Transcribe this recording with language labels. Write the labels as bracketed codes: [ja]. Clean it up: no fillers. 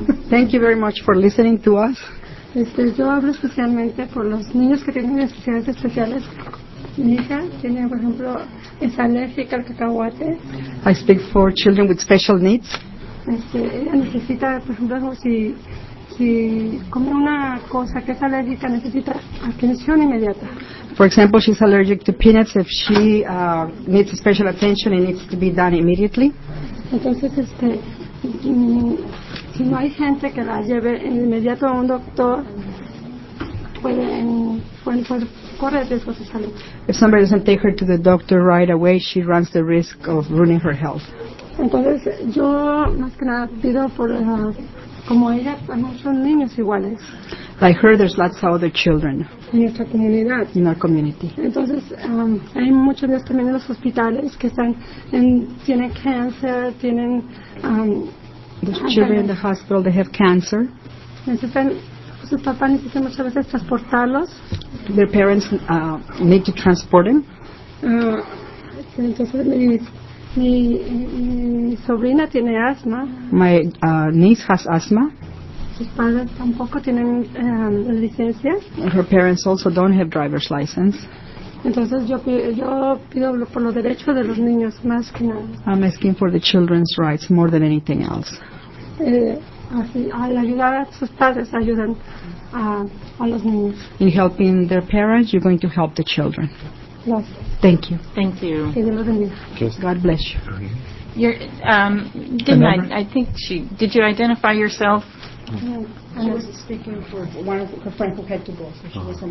[en] Thank you very much for listening to us. [es] Yo hablo especialmente por los niños que tienen necesidades especiales. Mi hija tiene, por ejemplo, es alérgica al cacahuate. [en] I speak for children with special needs. [es] Ella necesita, por ejemplo, si come una cosa que es alérgica, necesita atención inmediata. [en] For example, she's allergic to peanuts. If she needs special attention, it needs to be done immediately. [es] Entonces, si no hay gente que la lleve inmediato a un doctor, [en] if somebody doesn't take her to the doctor right away, she runs the risk of ruining her health. [es] Entonces, yo más que nada pido por como ella, no son niños iguales. [en] Like her, there's lots of other children. [es] En nuestra comunidad. [en] In our community. [es] Entonces, hay muchos niños también en los hospitales que están tienen cáncer, tienen. [en] There's children in the hospital. They have cancer. [es] Necesitan. Sus papás necesitan muchas veces transportarlos. [en] Their parents need to transport them. [es] Entonces mi sobrina tiene asma. [en] My niece has asthma. [es] Sus padres tampoco tienen licencia. [en] Her parents also don't have driver's license. [es] Entonces yo pido por los derechos de los niños más que nada. [en] I'm asking for the children's rights more than anything else. [es] Así, al ayudar a sus padres, ayudan a los niños. [en] In helping their parents, you're going to help the children. [es] Gracias. [en] Thank you. Thank you. God bless you. Did you identify yourself? Yeah. She was speaking for one of her friends who had to go, so she was on